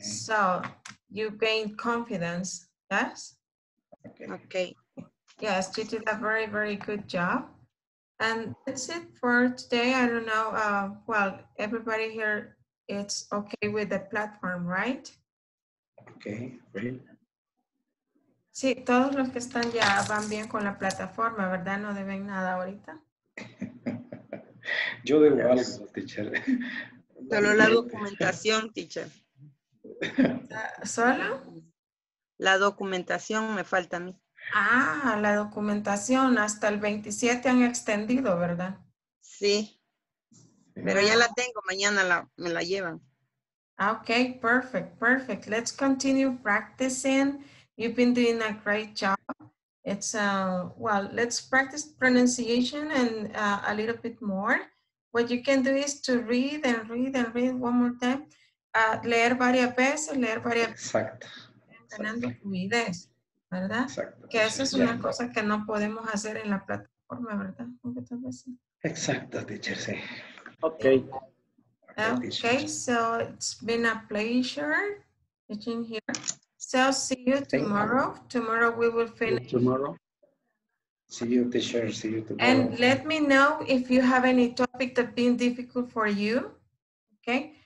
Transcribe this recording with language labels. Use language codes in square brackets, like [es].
[en] So you gain confidence, yes? Okay. Yes, you did a very, very good job. And that's it for today. I don't know, everybody here, it's okay with the platform, right? Okay, great. [es] Sí, todos los que están ya van bien con la plataforma, ¿verdad? No deben nada ahorita. Yo debo algo, teacher. Solo la documentación, teacher. ¿Solo? La documentación me falta a mí. Ah, la documentación hasta el 27 han extendido, ¿verdad? Sí. Pero ya la tengo, mañana me la llevan. [en] Okay, perfect, perfect. Let's continue practicing. You've been doing a great job. It's, let's practice pronunciation and a little bit more. What you can do is to read and read and read one more time. [es] Leer varias veces, leer varias veces. Exacto. Ganando fluidez, ¿verdad? Exacto. Que eso es una cosa que no podemos hacer en la plataforma, ¿verdad? Muchas veces. Exacto, teacher, sí. [en] Okay. Okay, so it's been a pleasure teaching here. So see you tomorrow. Tomorrow we will finish. Tomorrow. See you, teacher. See you tomorrow. And let me know if you have any topic that's been difficult for you. Okay.